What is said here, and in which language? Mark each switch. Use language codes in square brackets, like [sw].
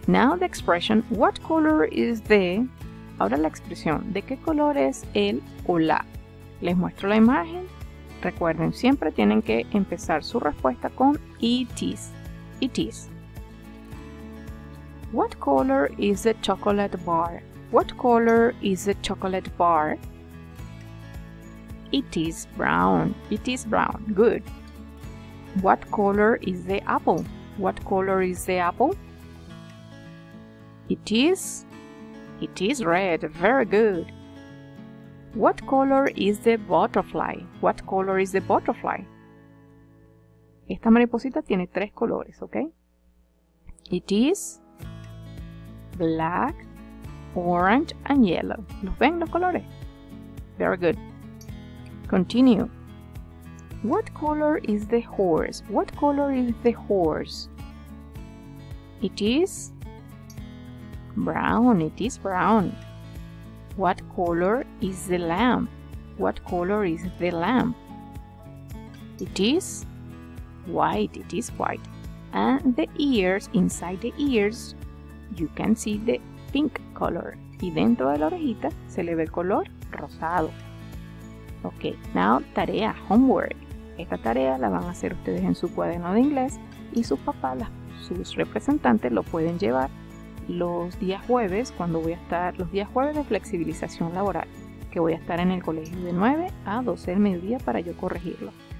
[en] Now the expression, what color is the... [es] Ahora la expresión, ¿de qué color es el o la? Les muestro la imagen. Recuerden, siempre tienen que empezar su respuesta con [en] it is. It is. What color is the chocolate bar? What color is the chocolate bar? It is brown. It is brown. Good. What color is the apple? What color is the apple? It is red. Very good. What color is the butterfly? What color is the butterfly? [es] Esta mariposita tiene tres colores, ¿ok? [en] It is black, orange, and yellow. [es] ¿Los ven los colores? [en] Very good. Continue. What color is the horse? What color is the horse? It is brown. It is brown. What color is the lamb? What color is the lamb? It is white. It is white. And the ears, inside the ears, you can see the pink color. [es] Y dentro de la orejita se le ve el color rosado. [en] Okay, now [es] tarea, homework. Esta tarea la van a hacer ustedes en su cuaderno de inglés y sus papás, sus representantes, lo pueden llevar los días jueves, cuando voy a estar, los días jueves de flexibilización laboral, que voy a estar en el colegio de 9 a 12 del mediodía para yo corregirlo.